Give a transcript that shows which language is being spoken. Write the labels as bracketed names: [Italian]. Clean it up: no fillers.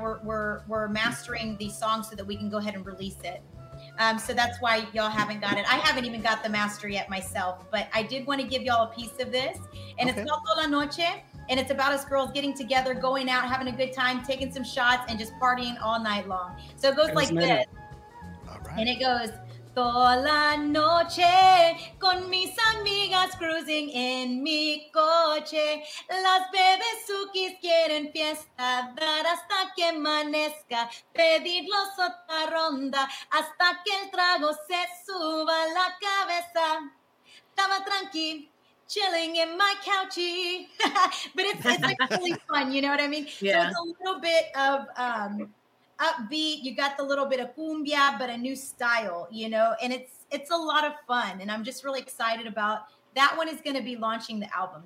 [English] We're mastering the song so that we can go ahead and release it. So that's why y'all haven't got it. I haven't even got the master yet myself, but I did want to give y'all a piece of this. And okay, it's called Toda la Noche. And it's about us girls getting together, going out, having a good time, taking some shots, and just partying all night long. So it goes like this. And it goes, [Spanish] toda la noche con mis amigas cruising en mi coche. Las bebesukis quieren fiesta, dar hasta que amanezca, pedirlos otra ronda, hasta que el trago se suba la cabeza. Estaba tranqui, [English] chilling in my couchy. But it's like really fun, you know what I mean? Yeah. So it's a little bit of upbeat, you got the little bit of cumbia, but a new style, you know, and it's a lot of fun. And I'm just really excited about that one. Is going to be launching the album.